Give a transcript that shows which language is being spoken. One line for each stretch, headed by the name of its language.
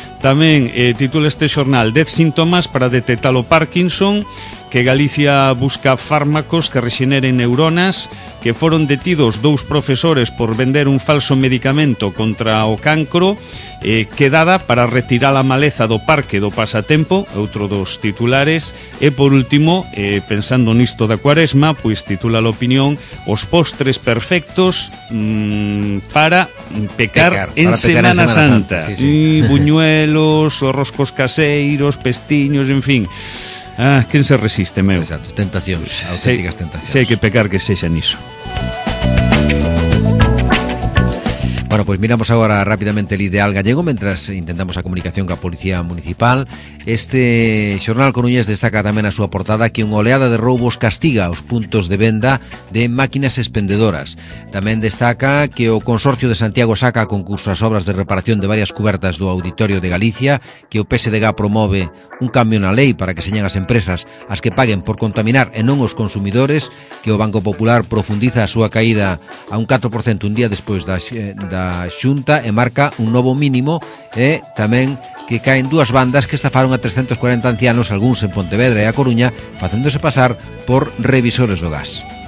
Galician: Tamén titula este xornal 10 síntomas para detectar o Parkinson, que Galicia busca fármacos que rexeneren neuronas, que foron detidos dous profesores por vender un falso medicamento contra o cancro, quedada para retirar a maleza do parque do pasatempo, outro dos titulares, e por último, pensando nisto da Cuaresma, pois titula a opinión os postres perfectos para pecar en Semana Santa. Buñuelos, roscos caseiros, pestiños, en fin. Quen se resiste, meu? Exacto, tentacións, auténticas tentacións. Sei que pecar que sexa niso.
Spanish: Bueno, pues miramos ahora rápidamente el ideal gallego mientras intentamos a comunicación con la policía municipal.
Galician: Este xornal coruñés destaca tamén a súa portada que unha oleada de roubos castiga os puntos de venda de máquinas expendedoras. Tamén destaca que o consorcio de Santiago saca a concurso as obras de reparación de varias cubertas do Auditorio de Galicia, que o PSDG promove un cambio na lei para que señan as empresas as que paguen por contaminar e non os consumidores, que o Banco Popular profundiza a súa caída a un 4% un día despois da Xunta e marca un novo mínimo, e tamén que caen dúas bandas que estafaron a 340 ancianos, algúns en Pontevedra e a Coruña, facéndose pasar por revisores do gas.